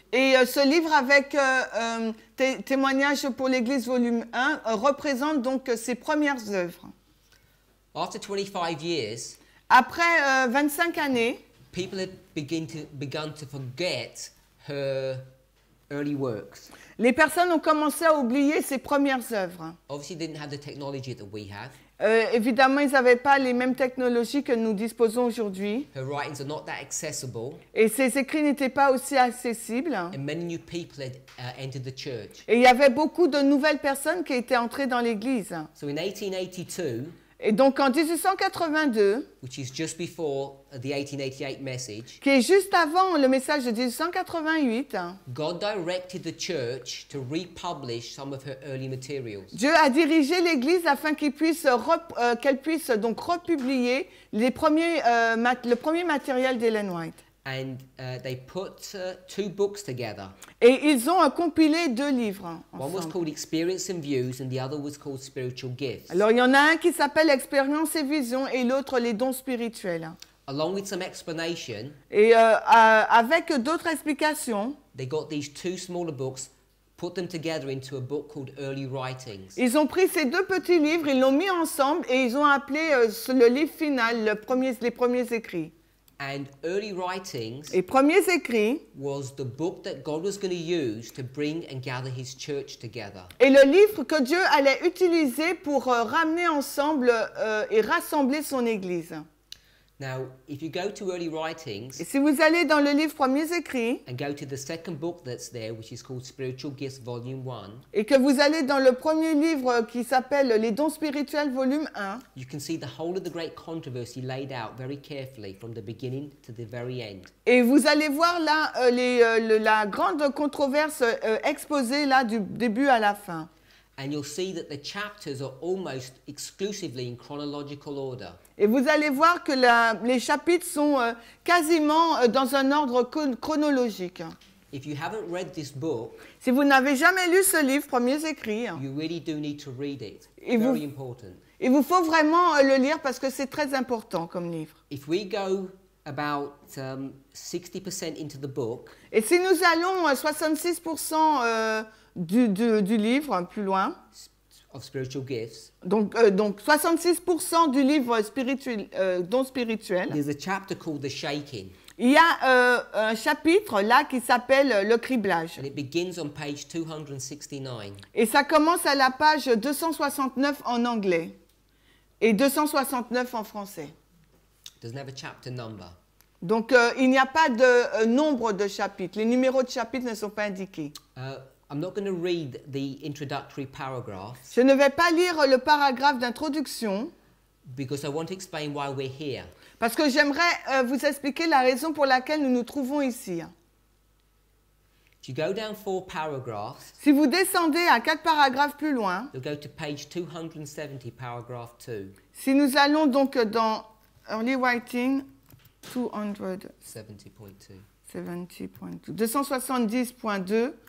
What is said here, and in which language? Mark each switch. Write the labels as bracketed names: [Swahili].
[French] Et ce livre avec Témoignages pour l'Église volume 1 représente donc ses premières œuvres. [English] After 25 years, [French] après 25 années, [English] people had begun to forget her early works. [French] Les personnes ont commencé à oublier ses premières œuvres. [English] Obviously they didn't have the technology that we have. [French] Évidemment, ils n'avaient pas les mêmes technologies que nous disposons aujourd'hui. [English] Her writings are not that accessible. [French] Et ses écrits n'étaient pas aussi accessibles. [English] And many new people had, entered the church. [French] Et il y avait beaucoup de nouvelles personnes qui étaient entrées dans l'église. [English] So in 1882, [French] et donc en 1882, [English] which is just before the 1888 message, [French] qui est juste avant le message de 1888, [English] God directed the church to republish some of her early materials. [French] Dieu a dirigé l'Église afin qu'elle puisse donc republier le premier matériel d'Ellen White. [English] And they put two books together. [French] Et ils ont compilé deux livres ensemble. [English] One was called Experience and Views and the other was called Spiritual Gifts. [French] Alors il y en a un qui s'appelle Expérience et Vision et l'autre les dons spirituels. [English] Along with some explanation. [French] Et avec d'autres explications. [English] They got these two smaller books, put them together into a book called Early Writings. [French] Ils ont pris ces deux petits livres, ils l'ont mis ensemble et ils ont appelé le livre final, les premiers écrits. [English] And early writings [French] et premiers écrits [English] was the book that God was going to use to bring and gather his church together. [French] Et le livre que Dieu allait utiliser pour ramener ensemble et rassembler son église. [English] Now, if you go to early writings, [French] et si vous allez dans le livre premiers écrits, [English] and go to the second book that's there, which is called Spiritual Gifts, Volume 1, [French] et que vous allez dans le premier livre qui s'appelle Les dons spirituels, Volume 1, [English] you can see the whole of the great controversy laid out very carefully from the beginning to the very end. [French] Et vous allez voir là la grande controverse exposée là du début à la fin. [English] And you'll see that the chapters are almost exclusively in chronological order. [French] Et vous allez voir que les chapitres sont quasiment dans un ordre chronologique. [English] If you haven't read this book, [French] si vous n'avez jamais lu ce livre, premiers écrits, [English] you really do need to read it. It's very important. [French] Il vous faut vraiment le lire parce que c'est très important comme livre. [English] If we go about 60% into the book, [French] et si nous allons 66% du livre plus loin, [English] of spiritual gifts. [French] Donc 66% du livre spirituel, dons spirituels. [English] There's a chapter called the shaking. [French] Il y a un chapitre là qui s'appelle le criblage. [English] And it begins on page 269. [French] Et ça commence à la page 269 en anglais et 269 en français. [English] It doesn't have a chapter number. [French] Donc il n'y a pas de nombre de chapitres. Les numéros de chapitres ne sont pas indiqués. [English] I'm not going to read the introductory paragraph. [French] Je ne vais pas lire le paragraphe d'introduction. [English] Because I want to explain why we're here. [French] Parce que j'aimerais vous expliquer la raison pour laquelle nous nous trouvons ici. [English] If you go down four paragraphs, [French] si vous descendez à quatre paragraphes plus loin, [English] you'll go to page 270, paragraph 2. [French] Si nous allons donc dans Early Writing 270.2. 270.2. 270.2.